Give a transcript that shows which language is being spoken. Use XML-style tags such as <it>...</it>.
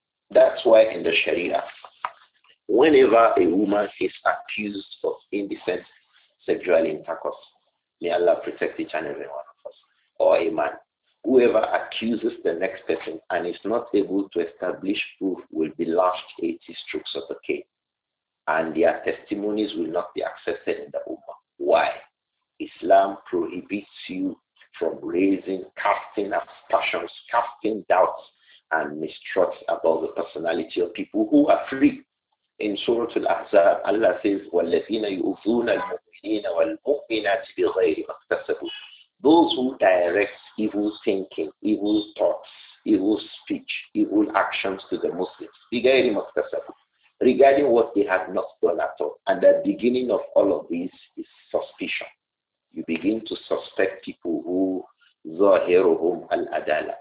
<en>That's why in the Sharia, whenever a woman is accused of indecent sexual intercourse, may Allah protect each and every one of us, or a man, whoever accuses the next person and is not able to establish proof will be lashed 80 strokes of the cane, and their testimonies will not be accepted in the Ummah. Why? Islam prohibits you from raising, casting aspersions, casting doubts, and mistrust about the personality of people who are free. In Surah Al-Ahzab, Allah says,</en> <ar>وَالَّذِينَ يُؤْذُونَ الْمُؤْمِنِينَ وَالْمُؤْمِنَاتِ بِغَيْرِ مَا اكْتَسَبُوا.</ar> <en>Those who direct evil thinking, evil thoughts, evil speech, evil actions to the Muslims,</en> <ar>بِغَيْرِ مَا اكْتَسَبُوا,</ar> <en>regarding what they have not done at all. And the beginning of all of this is suspicion. You begin to suspect people who</en> <ar>ظَاهِرُهُمْ الْعَدَالَ.</ar>